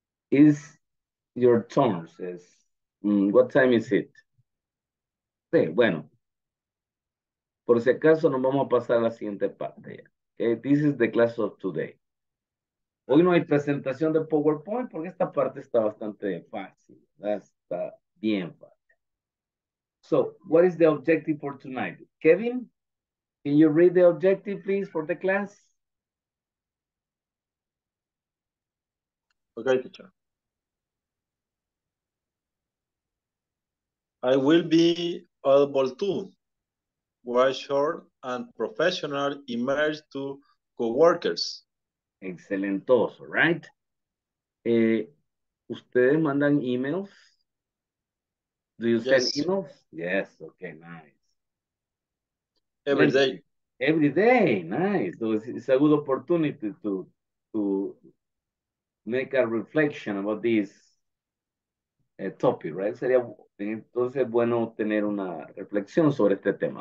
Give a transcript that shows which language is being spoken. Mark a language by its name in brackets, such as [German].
[English] Is your turn, says, what time is it? [Spanish] Sí, bueno, por si acaso nos vamos a pasar a la siguiente parte. [English] Okay, this is the class of today. [Spanish] Hoy no hay presentación de PowerPoint porque esta parte está bastante fácil. Está bien fácil. [English] So, what is the objective for tonight? Kevin, can you read the objective, please, for the class? Okay, teacher. I will be able to write short and professional emails to coworkers. [Spanish] Excelentoso, [English] right? [Spanish] ¿Ustedes mandan emails? [English] Do you send emails? Yes, okay, nice. Every day, nice. So it's a good opportunity to make a reflection about this topic, right? [Spanish] Sería entonces bueno tener una reflexión sobre este tema.